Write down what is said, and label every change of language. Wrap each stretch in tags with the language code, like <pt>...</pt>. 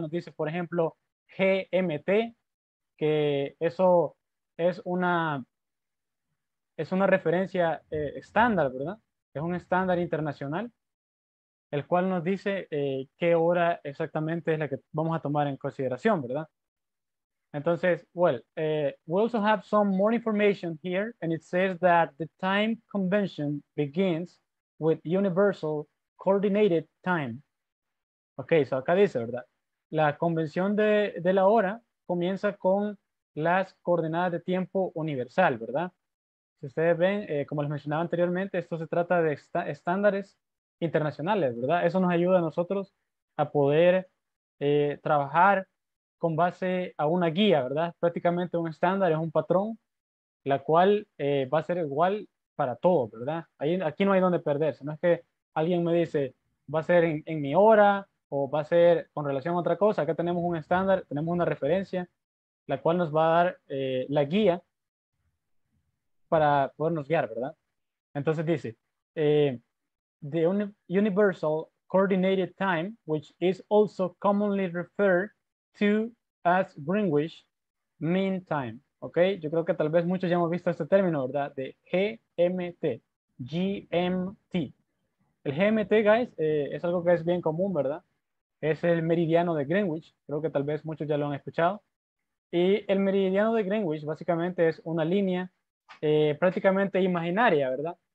<es>Nos dice, por ejemplo, GMT, que eso es una referencia estándar, ¿verdad? Es un estándar internacional, el cual nos dice qué hora exactamente es la que vamos a tomar en consideración, ¿verdad?</es> <en>Entonces, well, we also have some more information here, and it says that the time convention begins with universal coordinated time.</en> <es>Okay, so acá dice, ¿verdad? La convención de la hora comienza con las coordenadas de tiempo universal, ¿verdad? Si ustedes ven, como les mencionaba anteriormente, esto se trata de estándares internacionales, ¿verdad? Eso nos ayuda a nosotros a poder trabajar con base a una guía, ¿verdad? Prácticamente un estándar es un patrón, la cual va a ser igual para todos, ¿verdad? Aquí no hay donde perderse, no es que alguien me dice, va a ser en mi hora, o va a ser con relación a otra cosa. Acá tenemos un estándar, tenemos una referencia, la cual nos va a dar la guía para podernos guiar, ¿verdad? Entonces dice,</es> <en>the universal coordinated time, which is also commonly referred to as Greenwich Mean Time.</en> <es>Ok, yo creo que tal vez muchos ya hemos visto este término, ¿verdad? De GMT, GMT. El GMT, guys, es algo que es bien común, ¿verdad? Es el meridiano de Greenwich. Creo que tal vez muchos ya lo han escuchado. Y el meridiano de Greenwich básicamente es una línea prácticamente imaginaria, ¿verdad?</es>